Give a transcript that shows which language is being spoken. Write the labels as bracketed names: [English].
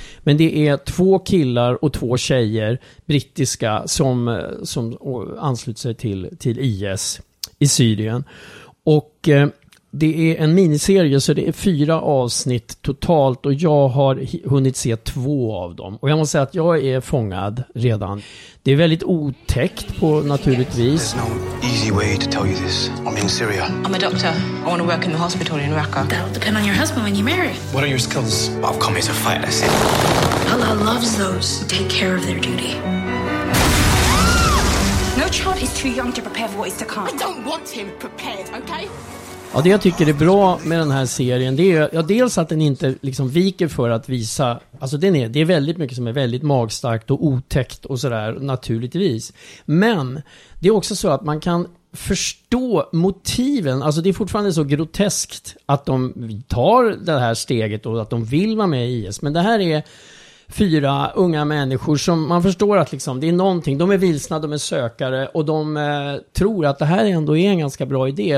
[Swedish] Men det är två killar och två tjejer, brittiska, som ansluter sig till IS i Syrien. Och det är en miniserie, så det är fyra avsnitt totalt. Och jag har hunnit se två av dem. Och jag måste säga att jag är fångad redan. Det är väldigt otäckt på naturligtvis. [English] There's no easy way to tell you this. I'm in Syria. I'm a doctor. I want to work in the hospital in Raqqa. That'll depend on your husband when you marry. What are your skills? I've come as a fighter. Allah loves those who take care of their duty. No child is too young to prepare for what is to come. I don't want him prepared, okay? [Swedish] Ja, det jag tycker är bra med den här serien, det är dels att den inte liksom viker för att visa, alltså det är väldigt mycket som är väldigt magstarkt och otäckt och sådär, naturligtvis. Men det är också så att man kan förstå motiven, alltså det är fortfarande så groteskt att de tar det här steget och att de vill vara med i IS, men det här är fyra unga människor som man förstår att liksom, det är någonting, de är vilsna, de är sökare och de tror att det här ändå är en ganska bra idé.